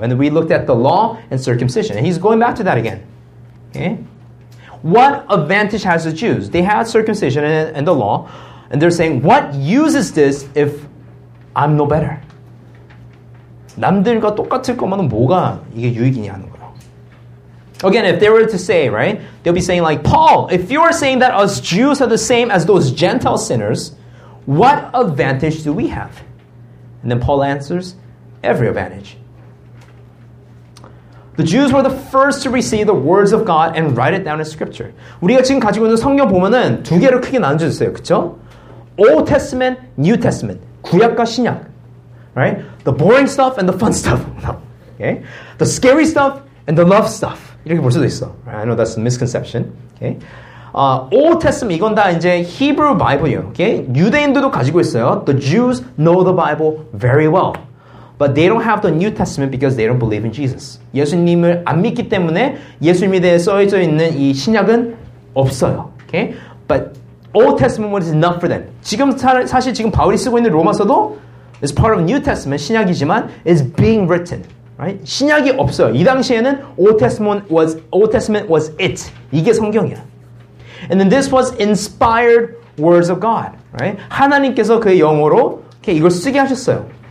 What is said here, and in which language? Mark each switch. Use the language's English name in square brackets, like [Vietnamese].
[English] And we looked at the law and circumcision. And he's going back to that again. Okay? What advantage has the Jews? They had circumcision and the law, and they're saying, what use is this if I'm no better? [Korean] 남들과 똑같을 거면 뭐가 이게 유익이냐 하는 거예요. [English] Again, if they were to say, right, they'll be saying like, Paul, if you are saying that us Jews are the same as those Gentile sinners, what advantage do we have? And then Paul answers, every advantage. The Jews were the first to receive the words of God and write it down in Scripture. [Korean] 우리가 지금 가지고 있는 성경 보면은 두 개로 크게 나눠져 있어요, 그쵸? [English] Old Testament, New Testament, [Korean] 구약과 신약, [English] right? The boring stuff and the fun stuff, okay? The scary stuff and the love stuff. [Korean] 이렇게 볼 수도 있어. [English] I know that's a misconception. Okay? [Korean] Old Testament, 이건 다 이제 Hebrew Bible이에요. Okay? 유대인들도 가지고 있어요. [English] The Jews know the Bible very well. But they don't have the New Testament because they don't believe in Jesus. [Korean] 예수님을 안 믿기 때문에 예수님에 대해 써져 있는 이 신약은 없어요. [English] Okay? But Old Testament was enough for them. [Korean] 지금 사실 지금 바울이 쓰고 있는 로마서도 [English] is part of New Testament, [Korean] 신약이지만 [English] is being written. Right? [Korean] 신약이 없어요. 이 당시에는 [English] Old Testament was it. [Korean] 이게 성경이야. [English] And then this was inspired words of God. Right? [Korean] 하나님께서 그 영어로 okay, 이걸 쓰게 하셨어요.